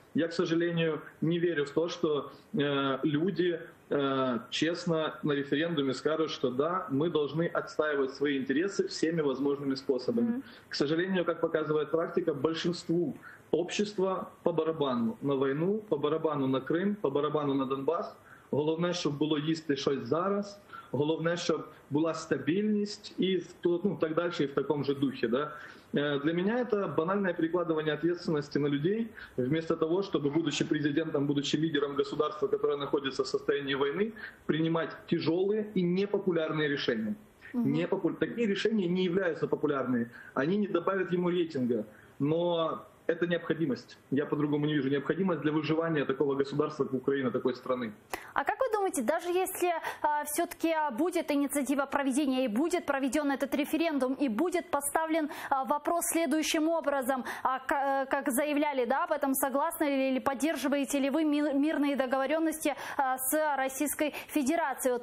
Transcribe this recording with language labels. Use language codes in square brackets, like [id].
[ru] Я, к сожалению, не верю в то, что люди честно на референдуме скажут, что да, мы должны отстаивать свои интересы всеми возможными способами. Mm-hmm. К сожалению, как показывает практика, большинству общества по барабану на войну, по барабану на Крым, по барабану на Донбасс. [uk] Головне, щоб було їсти щось зараз, головне, щоб була стабільність і ну, так далі, і в такому ж духі. Да? Для мене це банальне перекладування відповідальності на людей, вмісто того, щоб, будучи президентом, будучи лідером держави, яка знаходиться в стані війни, приймати тяжелі і непопулярні рішення. Угу. Такі рішення не є популярними, вони не додають йому рейтингу, але... [ru] Это необходимость. Я по-другому не вижу. Необходимость для выживания такого государства, как Украина, такой страны. А как вы думаете, даже если все-таки будет инициатива проведения и будет проведен этот референдум, и будет поставлен вопрос следующим образом, как заявляли, да, об этом согласны ли или поддерживаете ли вы мирные договоренности с Российской Федерацией?